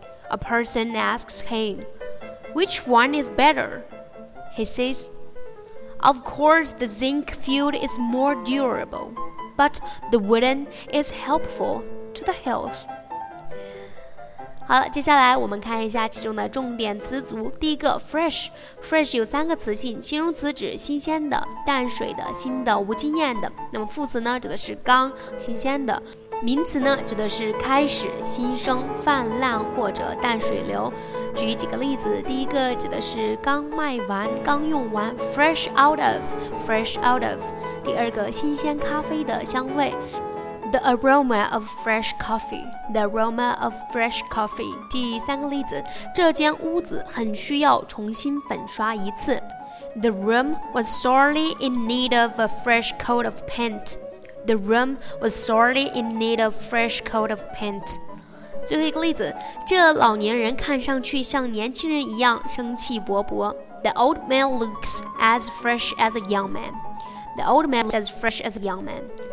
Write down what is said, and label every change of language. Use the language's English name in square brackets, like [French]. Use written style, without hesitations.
[English] A person asks him, "Which one is better?" He says, "Of course, the zinc field is more durable, but the wooden is helpful to the health." [Chinese] 好了，接下来我们看一下其中的重点词组。第一个 fresh， fresh 有三个词性，形容词指新鲜的、淡水的、新的、无经验的。那么副词呢，指的是刚、新鲜的。名词呢，指的是开始、新生、泛滥或者淡水流。举几个例子，第一个指的是刚卖完、刚用完 ， [English] fresh out of， [Chinese] fresh out of。第二个，新鲜咖啡的香味。 [English] The aroma of fresh coffee. The aroma of fresh coffee. [Chinese] 第三个例子，这间屋子很需要重新粉刷一次。 [English] The room was sorely in need of a fresh coat of paint. The room was sorely in need of fresh coat of paint. [Chinese] 最后一个例子，这老年人看上去像年轻人一样生气勃勃。 [English] The old man looks as fresh as a young man. The old man looks as fresh as a young man.